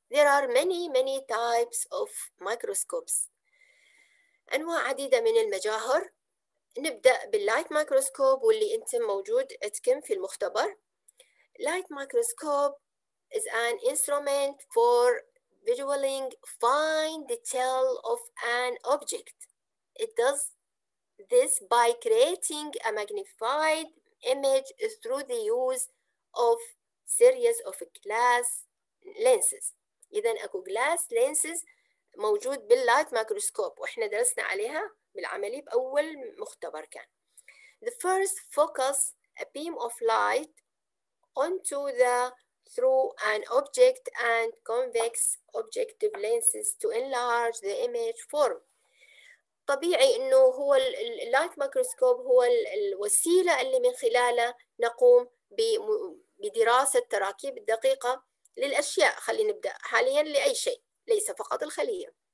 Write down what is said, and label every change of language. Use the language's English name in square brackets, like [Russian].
[English] There are many types of microscopes. [Arabic] أنواع عديدة من المجاهر. نبدأ باللايت مايكروسكوب واللي أنت موجود عندكم في المختبر. [English] Light microscope is an instrument for visualing fine detail of an object. It does this by creating a magnified image through the use of series of glass lenses. [Arabic] إذا أكو glass lenses موجود باللايت مايكروسكوب وإحنا درسنا عليها بالعملي بأول مختبر كان. [English] The first focus a beam of light onto the through an object and convex objective lenses to enlarge the image form. [Arabic] طبيعي إنه هو اللايت مايكروسكوب هو الوسيلة اللي من خلالها نقوم بدراسة التراكيب الدقيقة للأشياء. خلينا نبدأ حالياً لأي شيء ليس فقط الخلية.